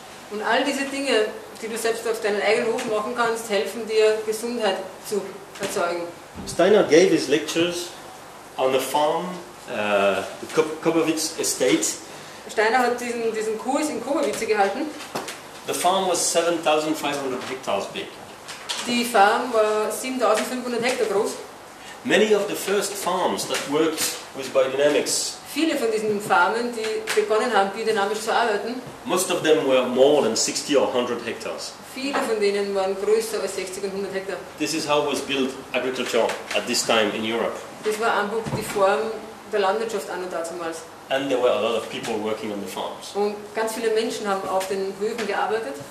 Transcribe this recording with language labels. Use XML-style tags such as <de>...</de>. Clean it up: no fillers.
<de>Und all diese Dinge, die du selbst auf deinen eigenen Hof machen kannst, helfen dir Gesundheit zu erzeugen.</de> <en>Steiner gave his lectures on a farm, the Kobowitz estate.</en> <de>Steiner hat diesen Kurs in Kobowitz gehalten.</de> <en>The farm was 7,500 hectares big.</en> <de>Die Farm war 7,500 Hektar groß.</de> <en>Many of the first farms that worked with biodynamics.</en> <de>Viele von diesen Farmen, die begonnen haben, biodynamisch zu arbeiten.</de> <en>Most of them were more than 60 or 100 hectares.</en> <de>Viele von denen waren größer als 60 und 100 Hektar.</de> <en>This is how was built agriculture at this time in Europe.</en> <de>Das war einfach die Form der Landwirtschaft an und damals.</de> <en>And there were a lot of people working on the farms.</en> <de>Und ganz viele Menschen haben auf den Höfen gearbeitet.</de>